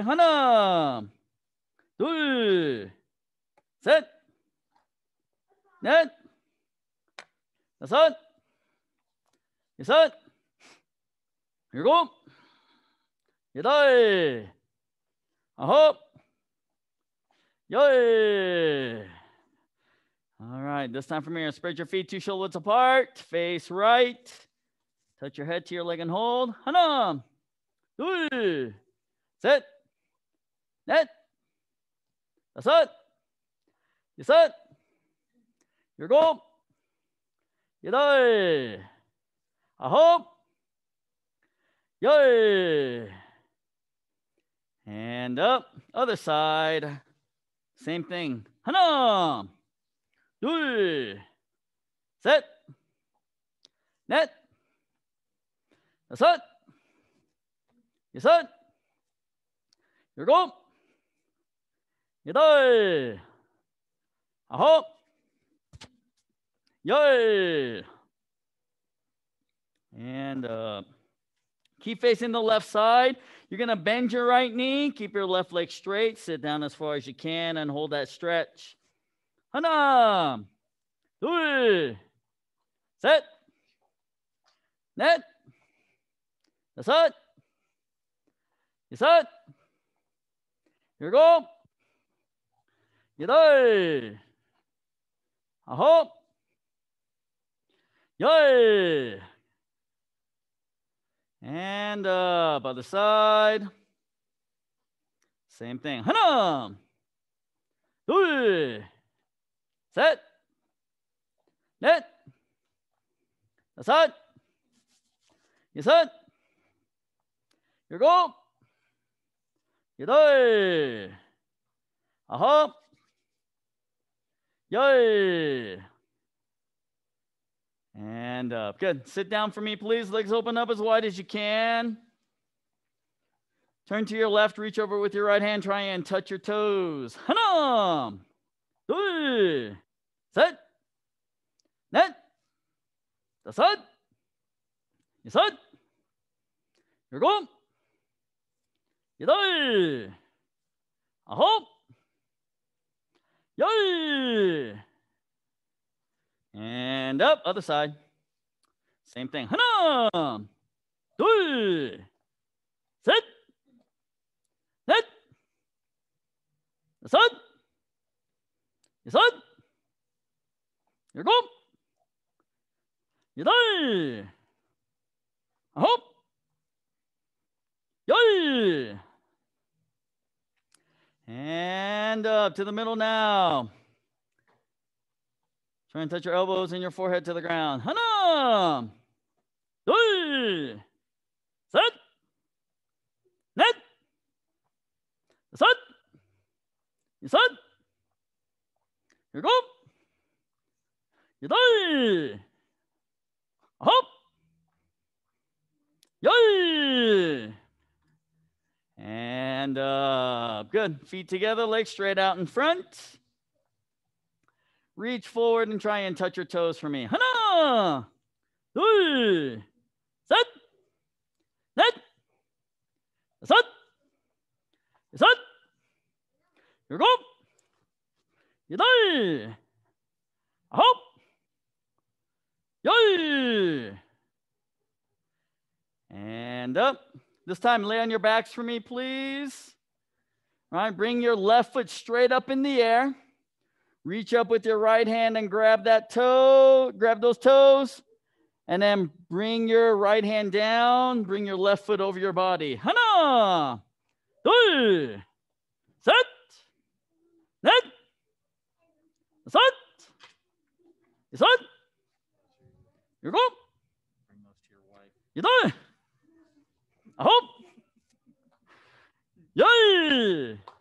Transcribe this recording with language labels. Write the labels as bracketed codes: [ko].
[ko] 하나, 둘, 셋, 넷, 다섯, 여섯, 일곱, 여덟, 아홉, 열. [en] All right, this time from here, spread your feet two shoulder widths apart, face right, touch your head to your leg and hold. [ko] 하나, 둘, 셋, 넷, 다섯, 여섯, 일곱, 여덟, 아홉, 열. [en] And up, other side, same thing. [ko] 하나, 둘, 셋, 넷, 다섯, 여섯, 일곱, 여덟, 아홉, 열. [en] And keep facing the left side. You're going to bend your right knee. Keep your left leg straight. Sit down as far as you can and hold that stretch. [ko] 하나, 둘, 셋, 넷, 다섯, 여섯, 일곱, 여덟, 아홉, 열. [en] And up, other side. Same thing. [ko] 하나, 둘, 셋, 넷, 다섯, 여섯, 일곱, 여덟, 아홉, 열. [en] And up. Good. Sit down for me, please. Legs open up as wide as you can. Turn to your left. Reach over with your right hand. Try and touch your toes. [ko] 하나, 둘, 셋, 넷, 다섯, 여섯, 일곱, 여덟, 아홉, 열. [en] And up, other side. Same thing. [ko] 하나, 둘, 셋, 넷, 다섯, 여섯, 일곱, 여덟, 아홉, 열. [en] And up to the middle now. Try and touch your elbows and your forehead to the ground. [ko] 하나, 둘, 셋, 넷, 다섯, 여섯, 일곱, 여덟, 아홉, 열. [en] And up. Good. Feet together, legs straight out in front. Reach forward and try and touch your toes for me. [ko] 하나, 둘, 셋, 넷, 다섯, 여섯, 일곱, 여덟, 아홉, 열. [en] And up. This time, lay on your backs for me, please. All right, bring your left foot straight up in the air. Reach up with your right hand and grab that toe, grab those toes, and then bring your right hand down, bring your left foot over your body. [ko] 하나, 둘, 셋, 넷, 다섯, 여섯, 일곱, 여덟, 아홉, 열.